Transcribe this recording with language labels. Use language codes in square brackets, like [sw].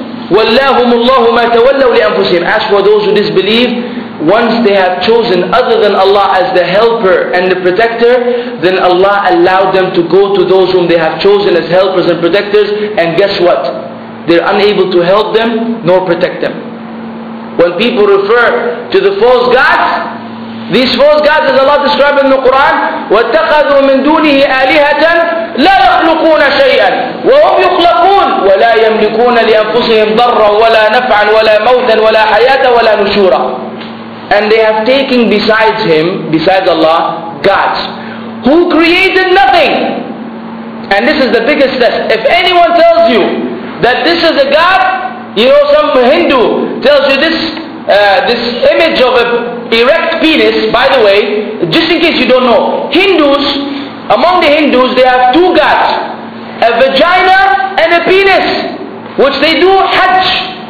[ar] وَلَّاهُمُ اللَّهُ مَا تَوَلَّوْا لِأَنفُسِهِمْ. [en] As for those who disbelieve, once they have chosen other than Allah as the helper and the protector, then Allah allowed them to go to those whom they have chosen as helpers and protectors, and guess what? They're unable to help them nor protect them. When people refer to the false gods, these false gods, as Allah described in the Quran, [ar] وَاتَّخَذُوا مِن دُونِهِ آلِهَةً لَا يَخْلُقُونَ شَيْئًا وَهُمْ يُخْلَقُونَ وَلَا يَمْلِكُونَ لِأَنفُسِهِمْ ضَرًّا وَلَا نَفْعًا وَلَا مَوْتًا وَلَا حَيَاةً وَلَا نُشُورًا. [en] And they have taken besides Him, besides Allah, gods who created nothing. And this is the biggest test. If anyone tells you that this is a god, you know, some Hindu tells you this, this image of an erect penis, by the way, just in case you don't know, Hindus, among the Hindus, they have two gods, a vagina and a penis, which they do Hajj.